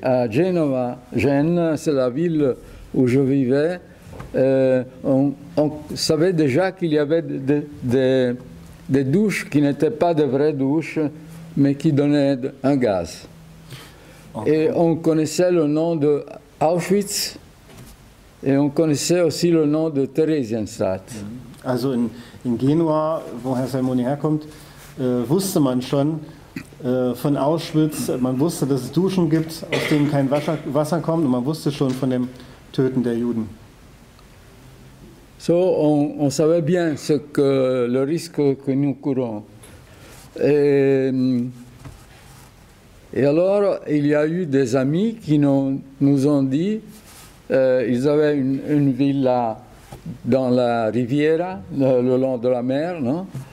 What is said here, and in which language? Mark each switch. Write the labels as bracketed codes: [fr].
[fr] À Genova, Gênes, c'est la ville où je vivais, on savait déjà qu'il y avait des douches qui n'étaient pas de vraies douches, mais qui donnaient un gaz. Et on connaissait le nom de Auschwitz et on connaissait aussi le nom de Theresienstadt. [de] Also in Genua, wo Herr Salmoni herkommt, wusste man schon von Auschwitz, man wusste, dass es Duschen gibt, aus denen kein Wasser kommt, und man wusste schon von dem Töten der Juden. [fr] So, on savait bien ce que le risque que nous courons. Et alors, il y a eu des amis qui nous ont dit, ils avaient une villa dans la rivière, le long de la mer, non?